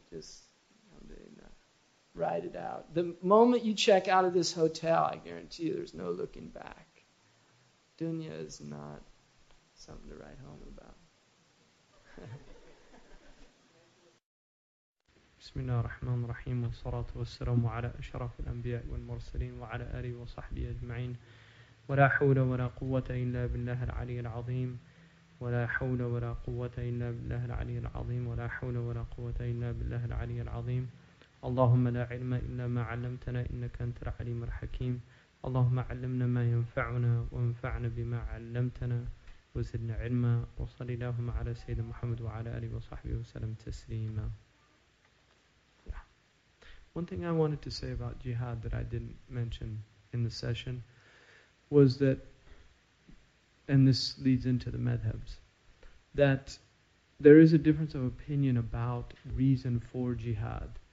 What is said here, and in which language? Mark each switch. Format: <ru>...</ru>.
<en>Just ride it out. The moment you check out of this hotel, I guarantee you there's no looking back. Dunya is not something to write home about.</en> <ar>بسم الله الرحمن الرحيم والصلاة والسلام على أشرف الأنبياء والمرسلين وعلى آله وصحبه أجمعين ولا حول ولا قوة إلا بالله العلي العظيم ولا حول ولا قوة إلا بالله العلي العظيم ولا حول ولا قوة إلا بالله العلي العظيم اللهم لا علم إلا ما علمتنا إنك أنت العليم الحكيم اللهم علمنا ما ينفعنا وانفعنا بما علمتنا وزدنا علما وصل اللهم على سيدنا محمد وعلى آله وصحبه وسلم تسليما.</ar> <en>One thing I wanted to say about jihad that I didn't mention in the session was that, and this leads into the madhabs, that there is a difference of opinion about reason for jihad.</en>